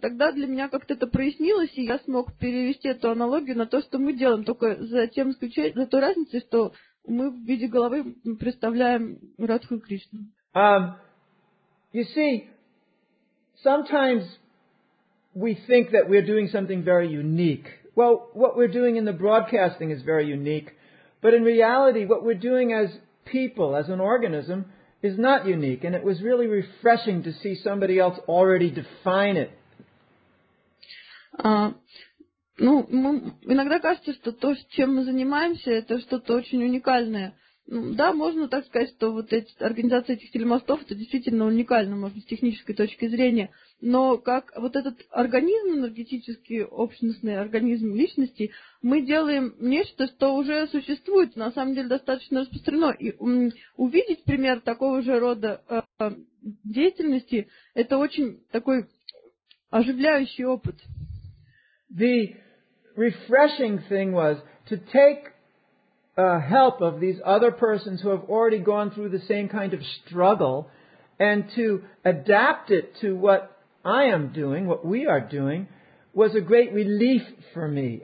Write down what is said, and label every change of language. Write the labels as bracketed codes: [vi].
[ru] И тогда для меня как-то это прояснилось, и я смог перевести эту аналогию на то, что мы делаем, только за тем исключением, за той разницей, что мы в виде головы представляем Радху и Кришну. [en] You see, sometimes we think that we're doing something very unique. Well, what we're doing in the broadcasting is very unique, but in reality, what we're doing as people, as an organism, is not unique, and it was really refreshing to see somebody else already define it. [ru] Ну, мы, иногда кажется, что то, чем мы занимаемся, это что-то очень уникальное. Да, можно так сказать, что вот эти организации этих телемостов, это действительно уникально, может, с технической точки зрения. Но как вот этот организм энергетический, общностный организм личности, мы делаем нечто, что уже существует, на самом деле достаточно распространено. И увидеть пример такого же рода деятельности, это очень такой оживляющий опыт. [en] The refreshing thing was to take help of these other persons who have already gone through the same kind of struggle and to adapt it to what I am doing, what we are doing, was a great relief for me.